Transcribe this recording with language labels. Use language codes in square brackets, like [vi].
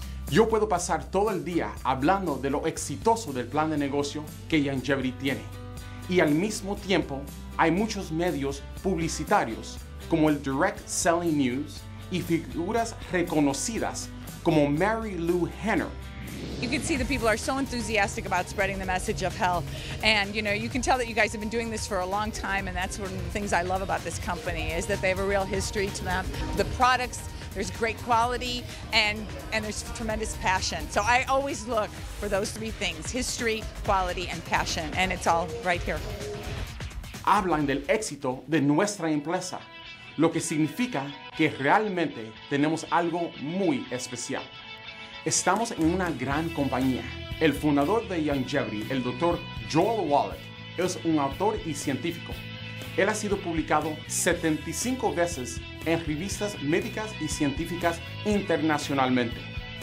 [es] Yo puedo pasar todo el día hablando de lo exitoso del plan de negocio que Longevity tiene. Y al mismo tiempo, hay muchos medios publicitarios como el Direct Selling News y figuras reconocidas como Mary Lou Henner. [en] You can see the people are so enthusiastic about spreading the message of health. And you know, you can tell that you guys have been doing this for a long time, and that's one of the things I love about this company, is that they have a real history to them. The products, there's great quality, and there's tremendous passion. So I always look for those three things: history, quality, and passion. And it's all right here. [es] Hablan del éxito de nuestra empresa, lo que significa que realmente tenemos algo muy especial. Estamos en una gran compañía. El fundador de Longevity, el Dr. Joel Wallach, es un autor y científico. Él ha sido publicado 75 veces en revistas médicas y científicas internacionalmente.